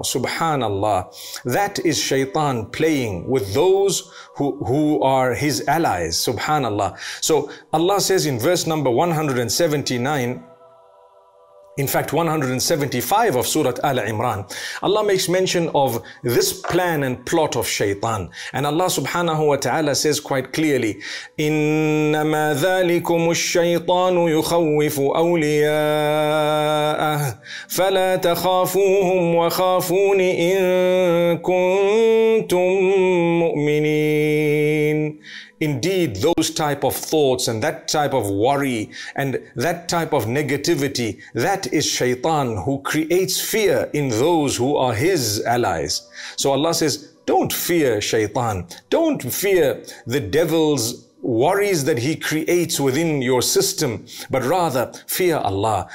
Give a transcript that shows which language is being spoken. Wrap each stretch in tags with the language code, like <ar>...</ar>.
<en>Subhanallah. That is Shaitan playing with those who are his allies. Subhanallah. So Allah says in verse number 175 of Surah Al-Imran, Allah makes mention of this plan and plot of Shaitan. And Allah subhanahu wa ta'ala says quite clearly,</en> <ar>إِنَّمَا ذَلِكُمُ الشَّيْطَانُ يُخَوِّفُ أَوْلِيَاءَهُ فَلَا تَخَافُوهُمْ وَخَافُونِ إِن كُنْتُم مُؤْمِنِينَ.</ar> <en>Indeed, those type of thoughts and that type of worry and that type of negativity, that is Shaitan who creates fear in those who are his allies. So Allah says, don't fear Shaitan. Don't fear the devil's worries that he creates within your system, but rather fear Allah.</en>